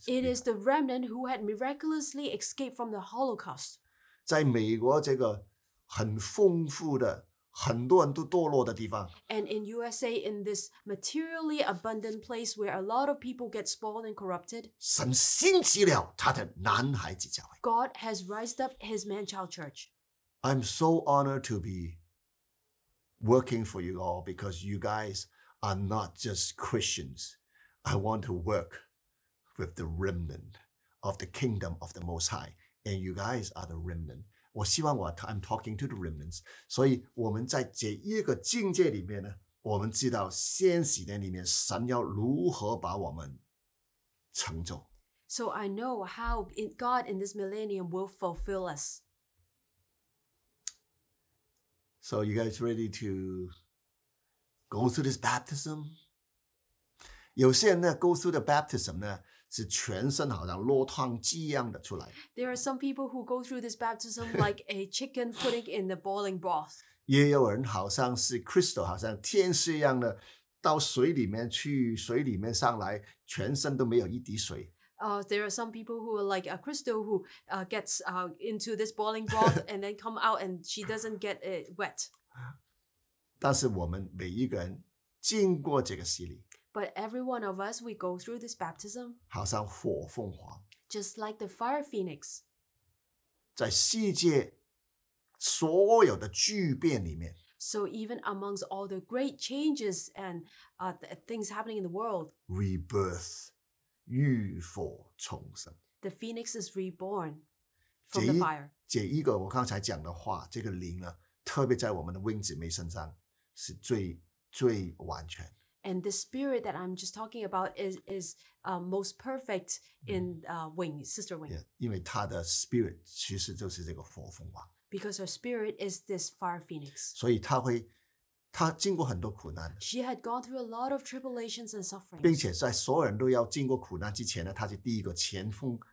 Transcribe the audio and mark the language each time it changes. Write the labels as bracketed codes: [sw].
[en] It is the remnant who had miraculously escaped from the Holocaust. [zh] 在美国这个很丰富的很多人都堕落的地方。 [en] And in USA, in this materially abundant place where a lot of people get spoiled and corrupted, [zh] 神兴起了他的男孩子教会。 [en] God has raised up His man-child church. I'm so honored to be working for you all because you guys. Are not just Christians. I want to work with the remnant of the kingdom of the Most High. And you guys are the remnant. [zh] 我希望我 [en] I'm talking to the remnants. [zh] 所以我们在这一个境界里面呢，我们知道先几年里面神要如何把我们成就。 [en] So I know how God in this millennium will fulfill us. So you guys ready to... Go through this baptism. [zh] 有些人呢 [en] go through the baptism [zh] 呢是全身好像落汤鸡一样的出来。 [en] There are some people who go through this baptism like a chicken putting in the boiling broth. [zh] 也有人好像是 crystal, 好像天使一样的到水里面去，水里面上来，全身都没有一滴水。 [en] There are some people who are like a crystal who gets into this boiling broth and then come out and she doesn't get it wet. [zh] 但是我们每一个人经过这个洗礼 [en] ，But every one of us we go through this baptism， [zh] 好像火凤凰 [en] ，Just like the fire phoenix， [zh] 在世界所有的巨变里面 [en] ，So even amongst all the great changes and things happening in the world， [zh] rebirth， 浴火重生 [en] ，The phoenix is reborn from the fire。 [zh] 这一个我刚才讲的话，这个灵呢，特别在我们的 Wing 姊妹身上。是最最完全。 [en] And the spirit that I'm just talking about is most perfect in Wing, Sister Wing. [zh] Yeah, 因为她的 spirit 其实就是这个火凤凰。 [en] Because her spirit is this fire phoenix. [zh] 所以她会，她经过很多苦难。 [en] She had gone through a lot of tribulations and sufferings. [zh] 并且在所有人都要经过苦难之前呢，她是第一个前锋。